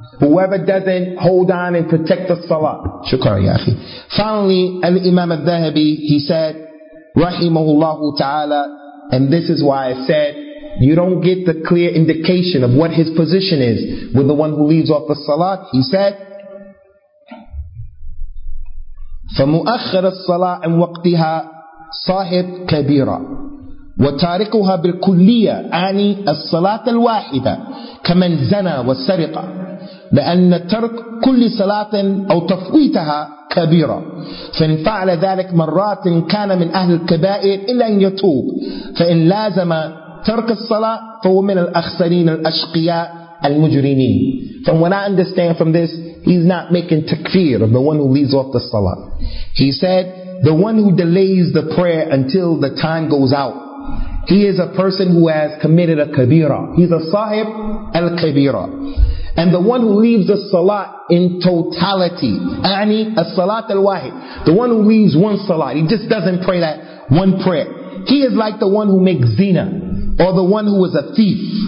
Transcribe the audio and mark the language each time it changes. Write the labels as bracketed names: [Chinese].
[English] Whoever doesn't hold on and protect the salah. Shukran, ya akhi. Finally, Al-Imam al-Dhahabi, he said, rahimahullahu ta'ala, and this is why I said, you don't get the clear indication of what his position is with the one who leaves off the salah. He said, [Arabic] فَمُؤَخَّرَ الصَّلَاةِ عَنْ وَقْتِهَا صَاحِبْ كَبِيرًا وَتَارِكُهَا بِالْكُلِّيَّةِ أَعْنِي الصَّلَاةَ الْوَاحِدَةِ كَمَنْ زَنَى وَسَرِقَ لأن ترك كل صلاة أو تفويتها كبيرة فإن فعل ذلك مرات كان من أهل الكبائر إلا أن يتوب فإن لازم ترك الصلاة فهو من الأخسرين الأشقياء المجرمين. [English] From what I understand from this, he's not making takfir of the one who leaves off the salah. He said, the one who delays the prayer until the time goes out, he is a person who has committed a kabira. He's a sahib al-kabira. And the one who leaves the salat in totality, [Arabic] أعني الصلاة الواحد, [English] the one who leaves one salat, he just doesn't pray that one prayer, he is like the one who makes zina, or the one who is a thief.